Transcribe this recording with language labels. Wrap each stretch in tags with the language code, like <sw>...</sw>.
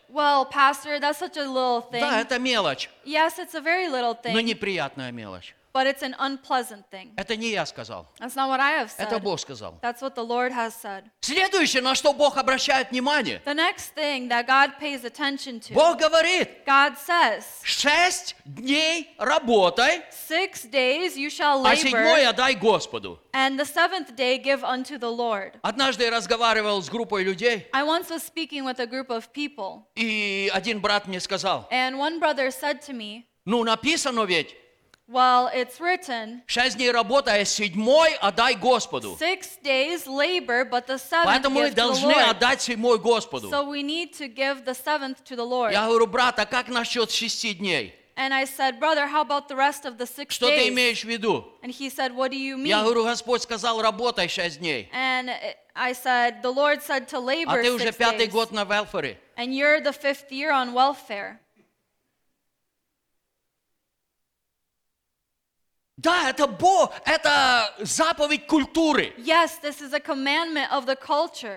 <en>Well, pastor, that's such a little thing.</en> <ru>Да, это мелочь.</ru> <en>Yes, it's a very little thing.</en> <ru>Но неприятная мелочь.</ru> <en>But it's an unpleasant thing.</en> <ru>Это не я сказал.</ru> <en>That's not what I have said.</en> <ru>Это Бог сказал.</ru> <en>That's what the Lord has said.</en> <ru>Следующее, на что Бог обращает внимание.</ru> <en>The next thing that God pays attention to.</en> <ru>Бог говорит.</ru> <en>God says.</en> <ru>Шесть дней работай.</ru> <en>Six days you shall labor.</en> <ru>А седьмой отдай Господу.</ru> <en>And the seventh day give unto the Lord.</en> <ru>Однажды я разговаривал с группой людей.</ru> <en>I once was speaking with a group of people.</en> <ru>И один брат мне сказал.</ru> <en>And one brother said to me.</en> <ru>Ну, написано ведь.</ru> <en>Well, it's written.</en> <ru>Шесть дней работая, седьмой отдай Господу.</ru> <en>Six days labor, but the seventh give to the Lord.</en> <ru>Поэтому мы должны отдать седьмой Господу.</ru> <en>So we need to give the seventh to the Lord.</en> <ru>Я говорю, брат, а как насчет шести дней?</ru> <en>And I said, brother, how about the rest of the six</en> <ru>что</ru> <en>days?</en> <ru>Что ты имеешь в виду?</ru> <en>And he said, what do you mean?</en> <ru>Я говорю, Господь сказал, работай шесть дней.</ru> <en>And I said, the Lord said to labor six days.</en> <ru>А ты уже пятый год на welfare.</ru> <en>And you're the fifth year on welfare.</en> <ru>Да, это Бог, это заповедь культуры.</ru> <en>Yes, this is a commandment of the culture.</en>